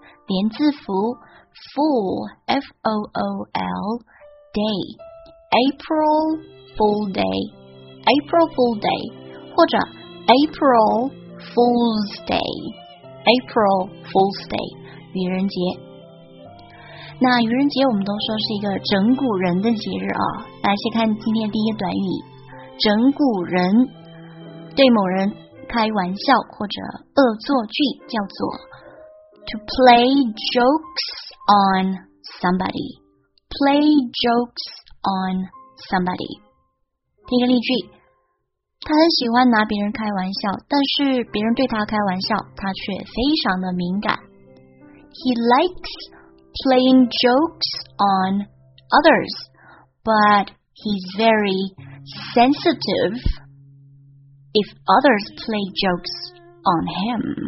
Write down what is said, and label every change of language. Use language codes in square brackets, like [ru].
[zh] 连字符 [en] Fool F-O-O-L Day April Fool Day April Fool Day 或者 April Fool's Day April Fool's Day 愚人节。 [zh] 那愚人节我们都说是一个整蛊人的节日啊。来先看今天的第一个短语，整蛊人，对某人开玩笑或者恶作剧叫做 [en] To play jokes on somebody. Play jokes on somebody. [zh] 听个例句，他很喜欢拿别人开玩笑，但是别人对他开玩笑，他却非常的敏感。 [en] He likes playing jokes on others, but he's very sensitive if others play jokes on him.